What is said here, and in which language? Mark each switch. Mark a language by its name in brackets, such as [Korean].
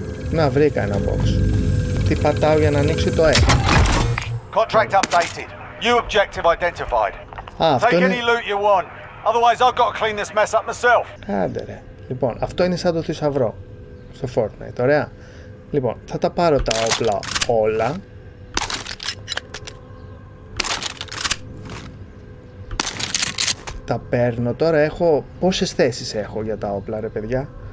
[Greek] Να, βρήκα ένα box. Τι πατάω για να ανοίξει το F. [English] Contract updated. New objective identified. [Greek] Α, αυτό [English] take [Greek] είναι... [English] any loot you want. Otherwise I've got to clean this mess up myself. [Greek] Άντε ρε. Λοιπόν, αυτό είναι σαν το θησαυρό στο Fortnite, ωραία. Λοιπόν, θα τα πάρω τα όπλα όλα. Τα παίρνω τώρα, έχω... Πόσες θέσεις έχω για τα όπλα ρε παιδιά.